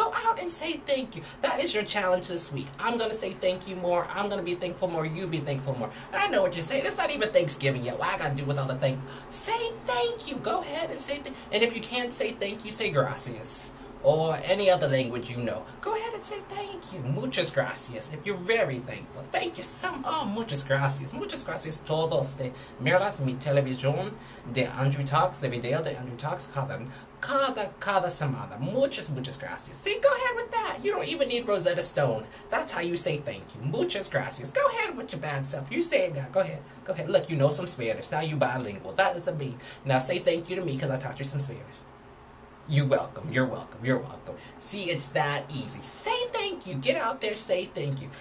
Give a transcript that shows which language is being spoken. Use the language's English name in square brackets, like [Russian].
[English] Go out and say thank you. That is your challenge this week. I'm going to say thank you more. I'm going to be thankful more. You be thankful more. And I know what you're saying. It's not even Thanksgiving yet. I gotta do with all the thank. Say thank you. Go ahead and say thank. And if you can't say thank you, say gracias. Or any other language you know. Go ahead and say thank you. [Spanish] Muchas gracias. [English] If you're very thankful. Thank you so much. [Spanish] Oh, muchas gracias. Muchas gracias todos de miras mi televisión de Andrew Talks, de video de Andrew Talks, cada semana. Muchas gracias. [English] See, go ahead with that. You don't even need Rosetta Stone. That's how you say thank you. [Spanish] Muchas gracias. [English] Go ahead with your bad self. You say it now. Go ahead. Look, you know some Spanish. Now you bilingual. That is a me. Now say thank you to me because I taught you some Spanish. You're welcome. See, it's that easy. Say thank you. Get out there, say thank you.